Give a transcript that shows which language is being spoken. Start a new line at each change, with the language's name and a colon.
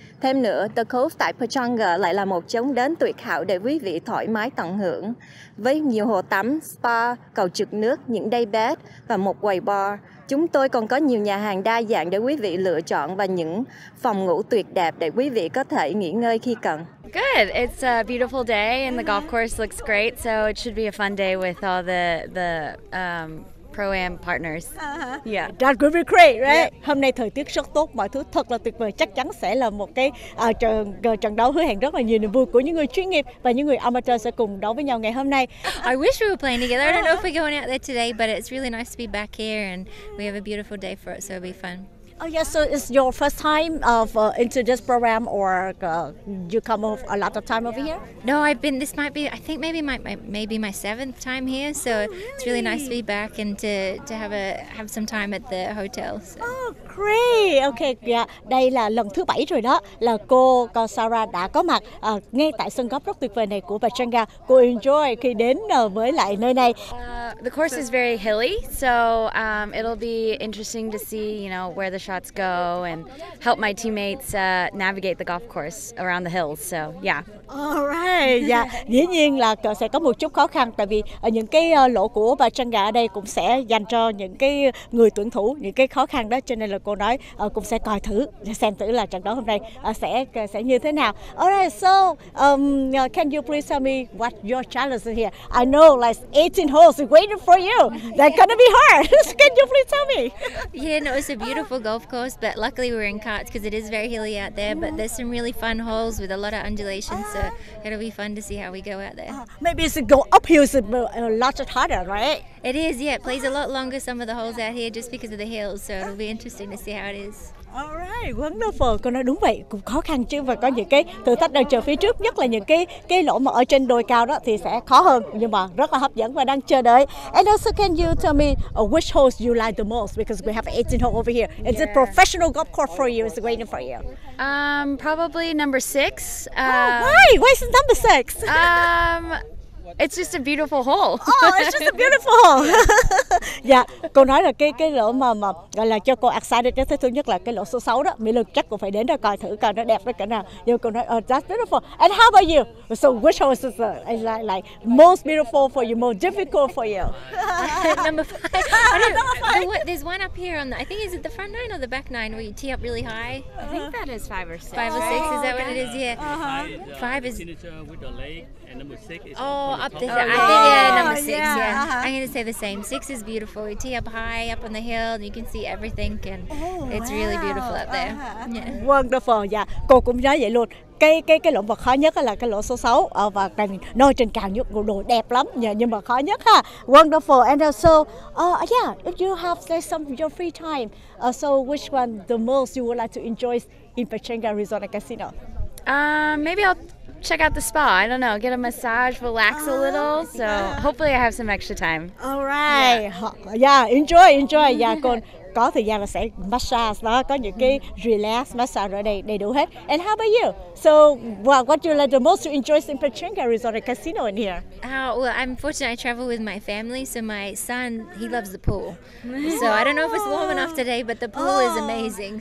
Vietnamese: Thêm nữa, The Cove tại Pechanga lại là một chốn đến tuyệt hảo để quý vị thoải mái tận hưởng, với nhiều hồ tắm, spa, cầu trượt nước, những day bed và một quầy bar. Chúng tôi còn có nhiều nhà hàng đa dạng để quý vị lựa chọn và những phòng ngủ tuyệt đẹp để quý vị có thể nghỉ ngơi khi cần.
English: Good. It's a beautiful day and the golf course looks great, so it should be a fun day with all the Pro-Am partners. Uh-huh. Yeah. That could be great, right? Yeah.
Vietnamese: Hôm nay thời tiết rất tốt, mọi thứ thật là tuyệt vời, chắc chắn sẽ là một cái trận đấu hứa hẹn rất là nhiều niềm vui của những người chuyên nghiệp và những người amateur sẽ cùng đấu với nhau ngày hôm nay.
English: I wish we were playing together. I don't know if we're going out there today, but it's really nice to be back here and we have a beautiful day for it, so it'll be fun. Oh yeah, so it's your first time of into this program, or you come off a lot of time over here? No, I've been. This might be. I think maybe my seventh time here. So it's really nice to be back and to have some time at the hotel. So. Oh great! Okay, yeah.
Vietnamese: Đây là lần thứ bảy rồi đó. Là cô Sarah đã có mặt ngay tại sân golf rất tuyệt vời này của Pechanga. Cô enjoy khi đến với lại nơi này.
English: The course is very hilly, so it'll be interesting to see, you know, where the shots go and help my teammates navigate the golf course around the hills. So, yeah. All right. Yeah.
Vietnamese: Dĩ nhiên là sẽ có một chút khó khăn, tại vì những cái lỗ của và chân gà ở đây cũng sẽ dành cho những cái người tuyển thủ những cái khó khăn đó. Cho nên là cô nói cũng sẽ coi thử, xem thử là trận đấu hôm nay sẽ như thế nào.
English: All right. So, can you please tell me what your challenge is here? I know like 18 holes waiting for you. That's gonna be hard. Can you please tell me? Yeah, no, it's a beautiful golf course, but luckily we're in carts because it is very hilly out there. But there's some really fun holes with a lot of undulations, so it'll be fun to see how we go out there. Maybe it's a go uphill is a lot harder, right? It is, yeah. It plays a lot longer, some of the holes out here, just because of the hills, so it'll be interesting to see how it is. Alright, wonderful.
Vietnamese: Cô nói đúng vậy, cũng khó khăn chứ, và có những cái thử thách đang chờ phía trước, nhất là những cái lỗ mà ở trên đồi cao đó thì sẽ khó hơn, nhưng mà rất là hấp dẫn và đang chờ đợi.
English: And also, can you tell me which holes you like the most, because we have 18 holes over here. Is it professional golf course for you? Is it waiting for you? Probably number 6. Why? Why is it number 6? It's just a beautiful hole. Oh, it's just a beautiful hole.
Vietnamese: Yeah, cô nói là cái lỗ mà gọi là cho cô excited nhất, thứ nhất là cái lỗ số 6 đó. Mỹ Lực chắc cũng phải đến đó coi thử coi nó đẹp đó cả nào. Nhưng cô nói,
English: oh, that's beautiful. And how about you? So which hole is like most beautiful for you, most difficult for you? Number five. There's one up here on the, I think is it the front nine or the back nine where you tee up really high? I think that is 5 or 6. 5 or 6, is that what it is? Yeah. Uh-huh. 5 is... with the lake. Oh, up there. I think number six. Uh-huh. I'm going to say the same. 6 is beautiful. You tee up high, up on the hill, and you can see everything, and it's really beautiful up there. Yeah. Wonderful, yeah.
Vietnamese: Cô cũng nói vậy luôn. Cái lỗ mà khó nhất là cái lỗ số 6, và nó trên cao nhất, đồ đẹp lắm, nhưng mà khó nhất ha.
English: Wonderful. And so, yeah, if you have like, some of your free time, so which one the most you would like to enjoy in Pechanga Resort and Casino? Maybe I'll check out the spa. I don't know, get a massage, relax a little. So hopefully I have some extra time. All right. Yeah, enjoy.
Vietnamese: Yeah, còn có thời gian là sẽ massage đó, có những cái relax massage ở đây đầy đủ hết.
English: And how about you? So, well, what do you like the most to enjoy in Pechanga Resort and Casino in here? Well, I'm fortunate I travel with my family, so my son, he loves the pool. So I don't know if it's warm enough today, but the pool is amazing.